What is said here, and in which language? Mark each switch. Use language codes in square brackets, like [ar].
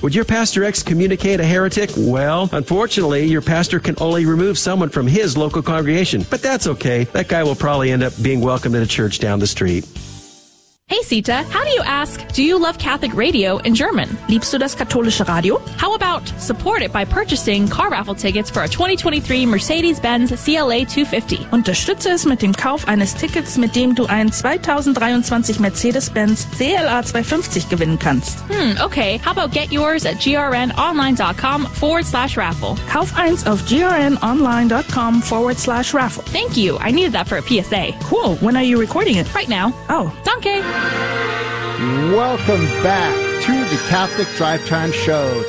[en] Would your pastor excommunicate a heretic? Well, unfortunately, your pastor can only remove someone from his local congregation. But that's okay. That guy will probably end up being welcomed in a church down the street. Hey Sita, how do you ask, do you love Catholic radio in German? [de] Liebst du das katholische Radio? [en] How about support it by purchasing car raffle tickets for a 2023 Mercedes-Benz CLA 250? [de] Unterstütze es mit dem Kauf eines Tickets, mit dem du ein 2023 Mercedes-Benz CLA 250 gewinnen kannst. [en] Okay. How about get yours at grnonline.com/raffle? [de] Kauf eins auf grnonline.com/raffle. [en] Thank you. I needed that for a PSA. Cool. When are you recording it? Right now. Oh. [de] Danke. [en] Welcome back to the Catholic Drive Time Show.